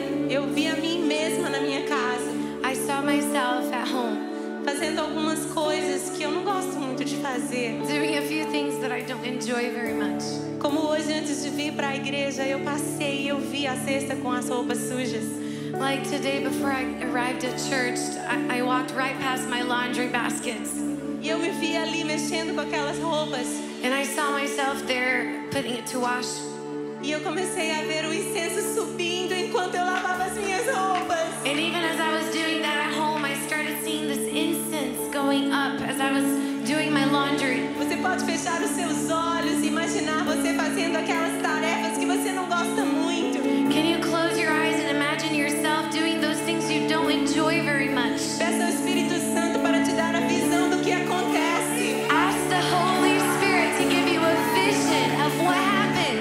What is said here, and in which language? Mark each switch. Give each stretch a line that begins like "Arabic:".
Portuguese: eu vi a mim mesma na minha casa.
English: I saw myself at home,
Portuguese: fazendo algumas coisas que eu não gosto muito de fazer.
English: Doing a few things that I don't enjoy very much.
Portuguese: Como hoje, antes de vir para a igreja, eu passei e eu vi a cesta com as roupas sujas.
English: Like today, before I arrived at church, I walked right past my laundry baskets.
Portuguese: E eu me vi ali mexendo com aquelas roupas.
English: And I saw myself there putting it to wash.
Portuguese: E eu comecei a ver o incenso subindo enquanto eu lavava as minhas roupas.
English: And even as I was doing that at home, I started seeing this incense going up as I was doing my laundry.
Portuguese: Você pode fechar os seus olhos e imaginar você fazendo aquelas tarefas que você não gosta muito.
English: Can you close your eyes and imagine yourself doing those things you don't enjoy very much?
Portuguese: Peça ao Espírito Santo para te dar a visão do que acontece.
English: Ask the Holy Spirit to give you a vision of what happens.